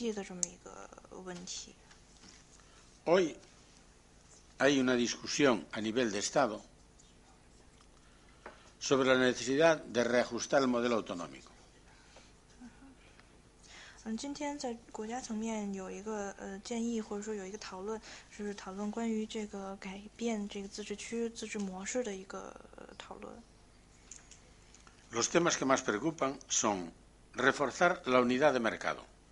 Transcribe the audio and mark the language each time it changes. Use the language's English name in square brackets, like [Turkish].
[Chinese] 那么其他的两个提议不是那么重要，一个是关于欧盟和加利西亚自治区之间的关系，另外一个就是关于一个中央和地方设立这种评估或者是说那个统审计的这么一个问题。 [Spanish] Hoy hay una discusión a nivel de Estado sobre la necesidad de reajustar el modelo autonómico. [Chinese] 今天在国家层面有一个建议，或者说有一个讨论，就是讨论关于这个改变这个自治区自治模式的一个讨论。 [Spanish] Los temas que más preocupan son reforzar la unidad de mercado.